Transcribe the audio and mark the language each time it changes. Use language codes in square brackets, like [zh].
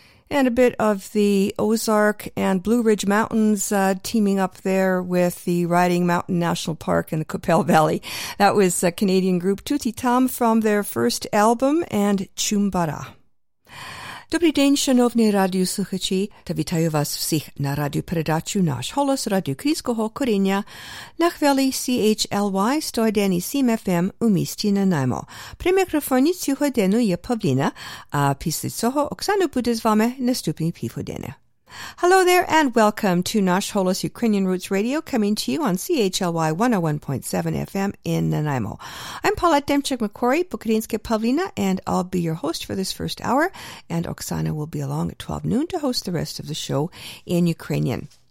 [en] And a bit of the Ozark and Blue Ridge Mountains teaming up there with the Riding Mountain National Park in the Coppell Valley. That was a Canadian group Tutti Tam from their first album and Chumbara. [uk] Добрий день, шановні радіослухачі, та вітаю вас всіх на радіопередачу «Наш голос» радіокрізького коріння на хвилі CHLY 101.7 FM у місті Нанаймо. При мікрофоні цю годину є Павліна, а після цього Оксана буде з вами наступні півгодини. [en] Hello there and welcome to Nash Holos Ukrainian Roots Radio, coming to you on CHLY 101.7 FM in Nanaimo. I'm Paulette Demchuk-McCory, Bukharinske Pavlina, and I'll be your host for this first hour, and Oksana will be along at 12 noon to host the rest of the show in Ukrainian.